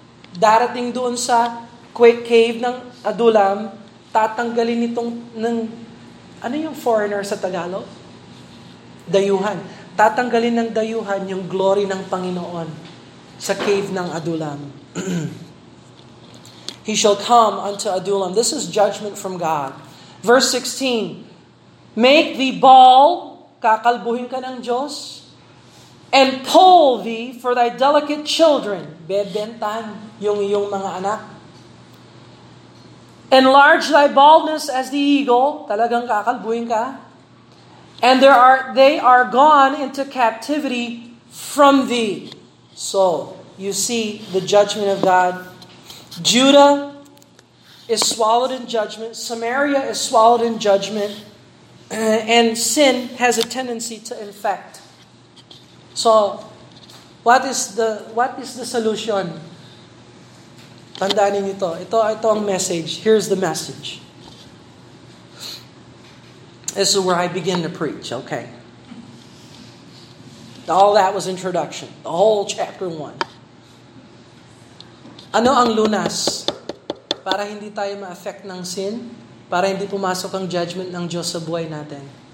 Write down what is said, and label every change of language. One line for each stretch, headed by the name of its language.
Filipino: Darating dun sa cave ng Adullam, tatanggalin itong, ano yung foreigner sa Tagalog? Dayuhan. Tatanggalin ng dayuhan yung glory ng Panginoon sa cave ng Adullam.
English: He shall come unto Adullam. This is judgment from God. Verse 16. Make thee bald.
Filipino: Kakalbuhin ka ng Diyos.
English: and toll thee for thy delicate children.
Filipino: Bebentahan yung iyong mga anak.
English: Enlarge thy baldness as the eagle.
Filipino: Talagang kakalbuin ka.
English: And they are gone into captivity from thee. So, you see the judgment of God. Judah is swallowed in judgment. Samaria is swallowed in judgment. And sin has a tendency to infect. So, what is the solution?
Filipino: Tandaan niyo ito. Ito ang message.
English: Here's the message. This is where I begin to preach, okay? All that was introduction. The whole chapter 1.
Filipino: Ano ang lunas para hindi tayo ma-affect ng sin? Para hindi pumasok ang judgment ng Diyos sa buhay natin?